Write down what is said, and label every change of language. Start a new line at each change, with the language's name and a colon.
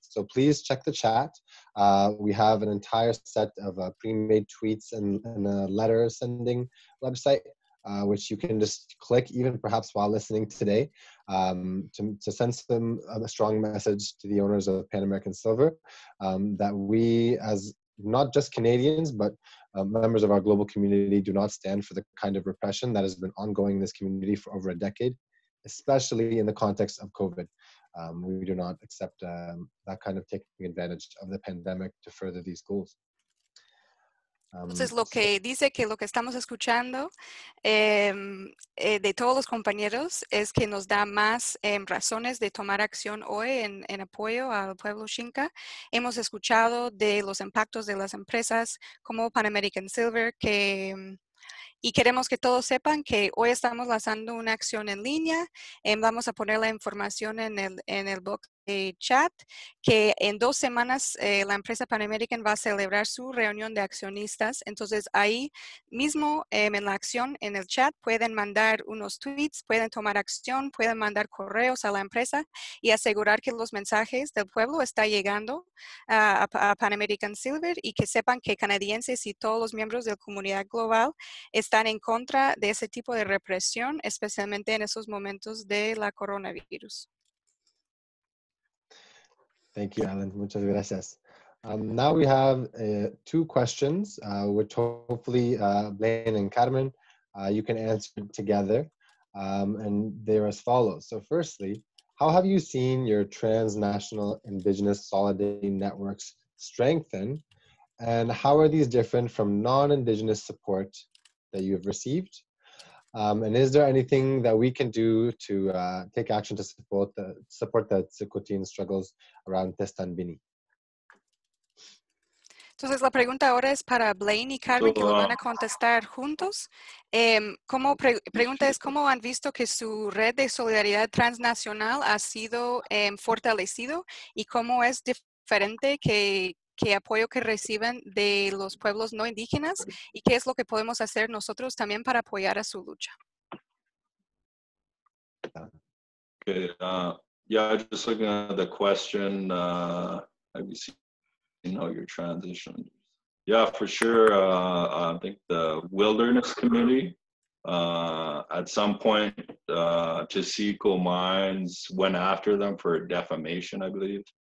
English: So please check the chat. We have an entire set of pre-made tweets and a letter sending website, which you can just click, even perhaps while listening today, to send them a strong message to the owners of Pan American Silver, that we, as not just Canadians, but members of our global community, do not stand for the kind of repression that has been ongoing in this community for over a decade, especially in the context of COVID. We do not accept that kind of taking advantage of the pandemic to further these goals.
Spanish: Entonces, lo que dice que lo que estamos escuchando de todos los compañeros es que nos da más razones de tomar acción hoy en apoyo al pueblo Xinka. Hemos escuchado de los impactos de las empresas como Pan American Silver y queremos que todos sepan que hoy estamos lanzando una acción en línea. Vamos a poner la información en el box de chat, que en 2 semanas la empresa Pan American va a celebrar su reunión de accionistas. Entonces ahí mismo en la acción, en el chat, pueden mandar unos tweets, pueden tomar acción, pueden mandar correos a la empresa y asegurar que los mensajes del pueblo están llegando a Pan American Silver y que sepan que canadienses y todos los miembros de la comunidad global están en contra de ese tipo de represión, especialmente en esos momentos de la coronavirus.
English: Thank you, Alan.
Spanish: Muchas gracias.
English: Now we have two questions, which hopefully Blaine and Carmen You can answer together. And they are as follows. So firstly, how have you seen your transnational indigenous solidarity networks strengthen? And how are these different from non-indigenous support that you have received? And is there anything that we can do to take action to support the Tsilhqot’in struggles around Testanbini?
Spanish: Entonces, la pregunta ahora es para Blaine y Carmen, que lo van a contestar juntos. Pregunta es, ¿cómo han visto que su red de solidaridad transnacional ha sido fortalecido? ¿Y cómo es diferente que apoyo que reciben de los pueblos no indígenas? ¿Y qué es lo que podemos hacer nosotros también para apoyar a su lucha?
English: Okay, yeah, just looking at the question, have you seen, you know, your transition? Yeah, for sure. I think the wilderness community, at some point, Taseco Mines went after them for defamation, I believe.